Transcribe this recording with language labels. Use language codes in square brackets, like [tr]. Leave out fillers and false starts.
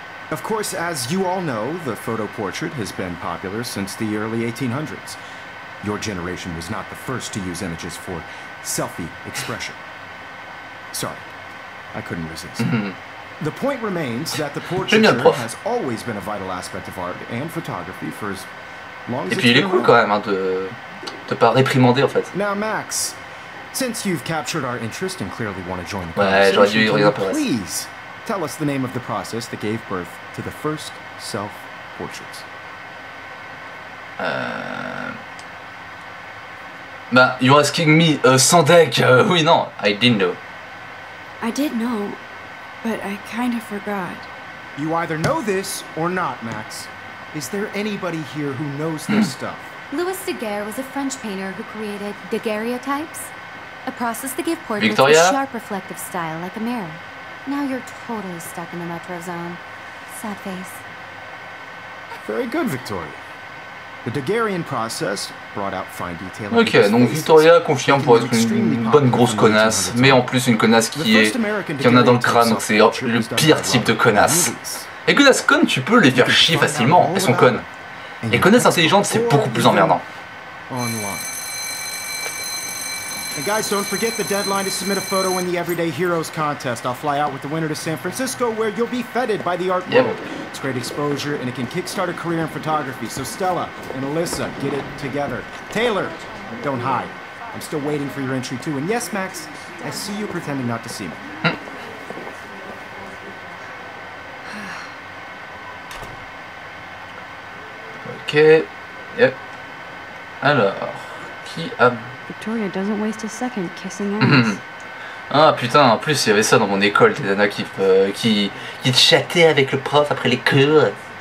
[en] Of course, as you all know, the photo portrait has been popular since the early 1800s. Your generation was not the first to use images for selfie expression. Sorry, I couldn't resist. The point remains that the portraiture has always been a vital aspect of art and photography for as long as it's been around. [fr] Et puis il est cool quand même hein, de pas réprimander en fait. [en] Now Max, since you've captured our interest and clearly want to join the conversation, please tell us the name of the process that gave birth to the first self-portraits. Bah, you're asking me, Sandek, [fr] oui non, [en] I didn't know. I did know. But I kind of forgot. You either know this or not, Max. Is there anybody here who knows this stuff? Louis Daguerre was a French painter who created daguerreotypes, a process that gave portraits a sharp reflective style like a mirror. Now you're totally stuck in the metro zone. Sad face. Very good, Victoria. The daguerrean process brought out fine detail. [fr] OK, donc Victoria confirme pour être une bonne grosse connasse, mais en plus une connasse qui en a dans le crâne, donc c'est le pire type de connasse. Et connasse conne, tu peux les faire chier facilement, elles sont connes. Et connasse intelligente, c'est beaucoup plus emmerdant. [en] And guys, don't forget the deadline to submit a photo in the Everyday Heroes contest. I'll fly out with the winner to San Francisco, where you'll be feted by the art world. It's great exposure, and it can kickstart a career in photography. So Stella and Alyssa, get it together. Taylor, don't hide. I'm still waiting for your entry, too. And yes, Max, I see you pretending not to see me. Okay. Yep. [fr] Alors, qui a... [en] Victoria doesn't waste a second kissing ass. [fr] Ah putain, en plus il y avait ça dans mon école, des nanas qui chattaient avec le prof après les cours.